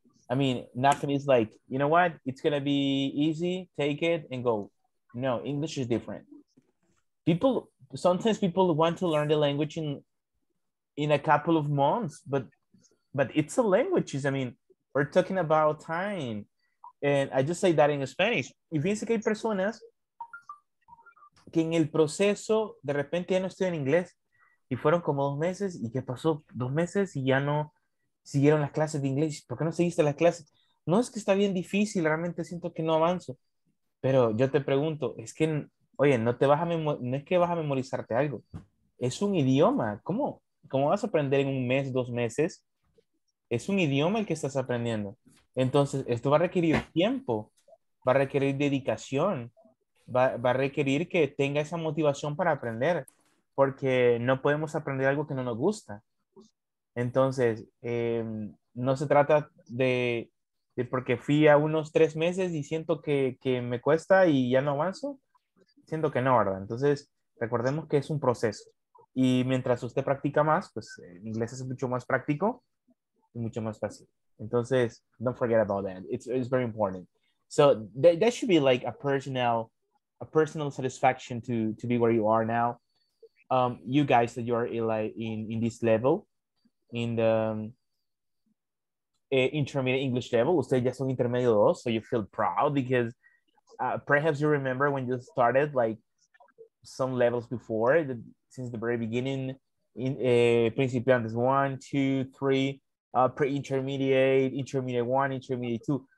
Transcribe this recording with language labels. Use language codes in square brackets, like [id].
[en] I mean, nothing is like, you know what? It's going to be easy. Take it and go. No, English is different. Sometimes people want to learn the language in a couple of months, but it's a language. I mean, we're talking about time. And I just say that in Spanish. [es] Y fíjense que hay personas que en el proceso de repente ya no estudian inglés y fueron como 2 meses. ¿Y qué pasó? 2 meses y ya no siguieron las clases de inglés. ¿Por qué no seguiste las clases? No, es que está bien difícil, realmente siento que no avanzo. Pero yo te pregunto, es que, oye, no es que vas a memorizarte algo. Es un idioma. ¿Cómo vas a aprender en 1 mes, 2 meses? Es un idioma el que estás aprendiendo. Entonces, esto va a requerir tiempo, va a requerir dedicación, va a requerir que tenga esa motivación para aprender, porque no podemos aprender algo que no nos gusta. Entonces, no se trata de porque fui a 3 meses y siento que me cuesta y ya no avanzo. Siento que no, ¿verdad? Entonces, recordemos que es un proceso. Y mientras usted practica más, pues el inglés es mucho más práctico y mucho más fácil. [en] Entonces, don't forget about that. It's very important. So, that should be like a personal satisfaction to be where you are now. You guys that you are in this level. In the intermediate English level, [es] usted ya son intermedio dos, [en] so you feel proud because perhaps you remember when you started like some levels before, since the very beginning, in principiantes 1, 2, 3, pre-intermediate 1, intermediate 2.